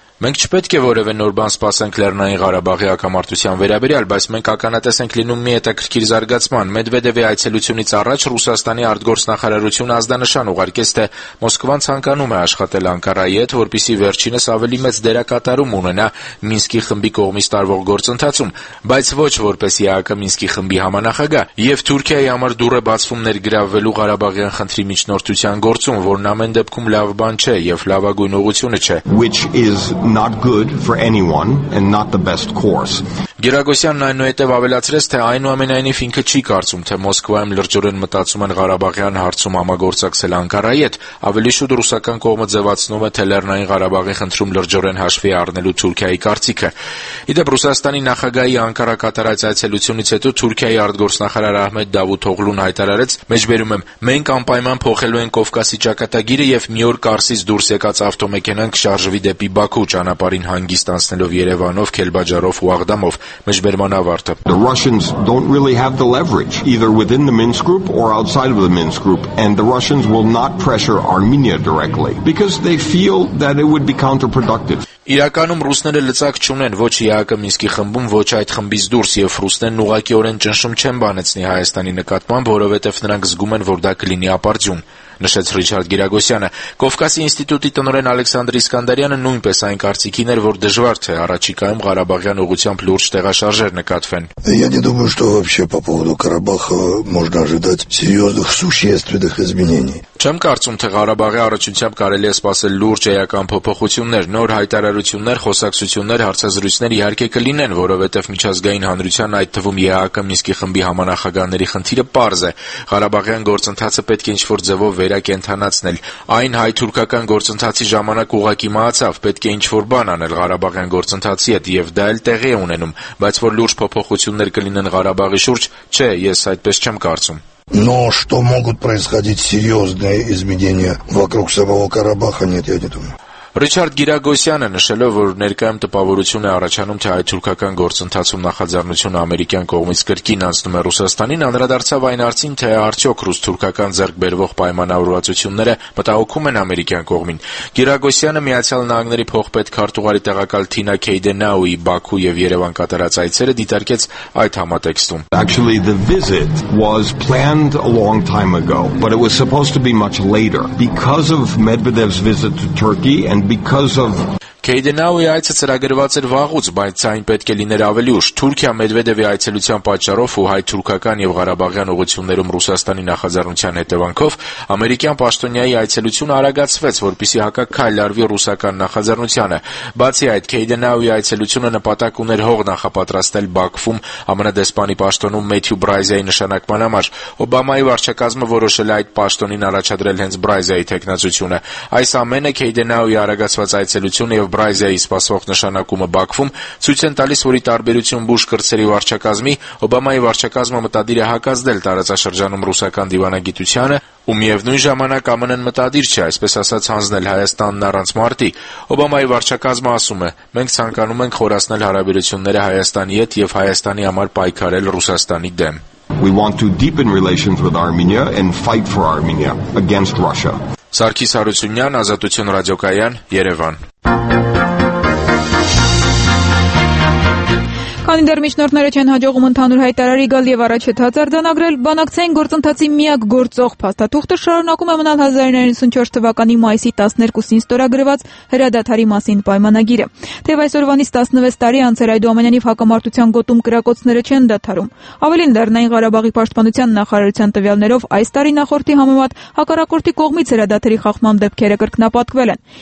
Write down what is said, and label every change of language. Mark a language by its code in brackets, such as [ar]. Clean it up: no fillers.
[hy] Մենք չպետք է որևէ նոր բան սպասենք Լեռնային Ղարաբաղի հակամարտության վերաբերյալ, բայց մենք ականատես ենք լինում մի հետաքրքիր զարգացման։ Մեդվեդևի այցելությունից առաջ Ռուսաստանի արտգործնախարարությունը ազդանշան ուղարկեց, թե Մոսկվան ցանկանում է աշխատել Անկարայի հետ, որպիսի վերջինս ավելի մեծ դերակատարում ունենա Մինսկի խմբի կողմից տարվող գործընթացում, բայց ոչ որպես ԵԱԿ-ի Մինսկի խմբի համանախագահ, և Թուրքիայի համար դուրը բացվում ներգրավվելու Ղարաբաղյան խնդրի միջնորդության գործում, որն ամեն դեպքում լավ բան չէ և լավագույն ուղղությունը չէ. [en] Not good for anyone and not the best course. [hy] Գերագոսյանն այնուհետև ավելացրեց, թե այնուամենայնիվ ինքը չի կարծում, թե Մոսկվայում լրջորեն մտածում են Ղարաբաղյան հարցում համագործակցել Անկարայի հետ, ավելի շուտ ռուսական կողմը ձևացնում է, թե Լեռնային Ղարաբաղի խնդրում լրջորեն հաշվի առնելու Թուրքիայի կարծիքը։ Իդեպ Ռուսաստանի նախագահի Անկարա կատարած այցելությունից հետո Թուրքիայի արտգործնախարար Ահմեդ Դավութոգլուն հայտարարեց. «Մեջբերում եմ, մենք անպայման փոխելու ենք Կովկասի ճակատագիրը և մի օր Կարսից դուրս եկած ավտոմեքենան կշարժվի դեպի Բաքու ճանապարհին հանգիստ անցնելով Երևանով, Քելբաջարով ու Աղդամով»։ [en] The Russians don't really have the leverage, either within the Minsk group or outside of the Minsk group, and the Russians will not pressure Armenia directly, because they feel that it would be counterproductive. [hy] Իրականում ռուսները լծակ չունեն ոչ ԵԱԿ-ի Մինսկի խմբում, ոչ այդ խմբից դուրս, եւ ռուսներն ուղղակիորեն ճնշում չեն բանեցնի Հայաստանի նկատմամբ, որովհետեւ նրանք զգում են, որ դա կլինի ապարդյուն, նշեց Ռիչարդ Գիրագոսյանը։ Կովկասի ինստիտուտի տնօրեն Ալեքսանդր Իսկանդարյանը նույնպես այն կարծիքին էր, որ դժվար թե առաջիկայում Ղարաբաղյան ուղղությամբ լուրջ տեղաշարժեր նկատվեն։ [ru] Я не думаю, что вообще по поводу Карабаха можно ожидать серьёзных существенных изменений. [hy] Չեմ կարծում, թե Ղարաբաղի առաջությամբ կարելի է սпасել լուրջ ԵԱԿ-ի փոփոխություններ, նոր հայտարարություններ, խոսակցություններ, հարցազրույցներ իհարկե կլինեն, որովհետև միջազգային հանրության, այդ թվում ԵԱԿ-ի Մինսկի խմբի համանախագահաների խնդիրը պարզ է. Ղարաբաղյան գործընթացը պետք է ինչ-որ ձևով վերակենդանացնել։ Այն հայ-թուրքական գործընթացի ժամանակ ուղակի մահացավ, պետք է ինչ-որ բան անել Ղարաբաղյան գործընթացի հետ, և դա էլ տեղի է ունենում, բայց որ լուրջ փոփոխություններ կլինեն Ղարաբաղի շուրջ, չէ, ես այդպես չեմ կարծում. [ru] Но что могут происходить серьёзные изменения вокруг самого Карабаха, нет, я не думаю. [hy] Ռիչարդ Գիրագոսյանը նշելով, որ ներկայում տպավորություն է առաջանում, թե հայ-թուրքական գործընթացում նախաձեռնությունը ամերիկյան կողմից կրկին անցնում է Ռուսաստանին, անդրադարձավ այն արդին, թե արդյոք ռուս-թուրքական ձեռքբերվող պայմանավորվածությունները մտահոգում են ամերիկյան կողմին։ Գիրագոսյանը Միացյալ Նահանգների փոխպետ քարտուղարի տեղակալ Թինա Քեյդենաուի Բաքու և Երևան կատարած այցերը դիտարկեց այդ համատեքստում։ [en] Actually the visit was planned a long time ago, but it was supposed to be much later because of Medvedev's visit to Turkey. And because of [hy] Քեյդենաուի այցը ծրագրված էր վաղուց, բայց այն պետք է լիներ ավելի ուշ։ Թուրքիա Մեդվեդևի այցելության պատճառով ու հայ-թուրքական և Ղարաբաղյան ուղղություններում Ռուսաստանի նախաձեռնության հետևանքով ամերիկյան պաշտոնյայի այցելությունը արագացվեց, որպեսզի հակակայլ արվի ռուսական նախաձեռնությանը։ Բացի այդ, Քեյդենաուի այցելությունը նպատակ ուներ հող նախապատրաստել Բաքվում ԱՄՆ-դեսպանի պաշտոնում Մեթյու Բրայզիայի նշանակման համար։ Օբամայի վարչակազմը որոշել է այդ պաշտոնին առաջադրել հենց Բրայզիայի թեկնածությունը։ Այս ամենը Քեյդենաուի արագացված այցելությունը և Բրայզիայի սպասվող նշանակումը Բաքվում ցույց են տալիս, որի տարբերություն Բուշ կրտսերի վարչակազմի, Օբամայի վարչակազմը մտադիր է հակազդել տարածաշրջանում ռուսական դիվանագիտությանը, ու միևնույն ժամանակ ԱՄՆ-ն մտադիր չէ, այսպես ասած, հանձնել Հայաստանն առանց մարտի։ Օբամայի վարչակազմը ասում է, մենք ցանկանում ենք խորացնել հարաբերությունները Հայաստանի հետ և Հայաստանի համար պայքարել Ռուսաստանի դեմ։ [en] We want to deepen relations with Armenia and fight for Armenia against Russia. [hy] Սարգիս Հարությունյան, Ազատություն ռադիոկայան, Երևան։ Քանի դեռ միջնորդները չեն հաջողում ընդհանուր հայտարարի գալ և առաջընթաց արձանագրել, բանակցային գործընթացի միակ գործող փաստաթուղթը շարունակում է մնալ 1994 թվականի մայիսի 12-ին ստորագրված հրադադարի մասին պայմանագիրը։ Թեև այսօրվանից 16 տարի անցել, այդուամենայնիվ հակամարտության գոտում կրակոցները չեն դադարում։ Ավելին, Լեռնային Ղարաբաղի պաշտպանության նախարարության տվյալներով այս տարի նախորդի համեմատ հակառակորդի կողմից հրադադարի խախտման դեպքերը կրկնապատկվել են։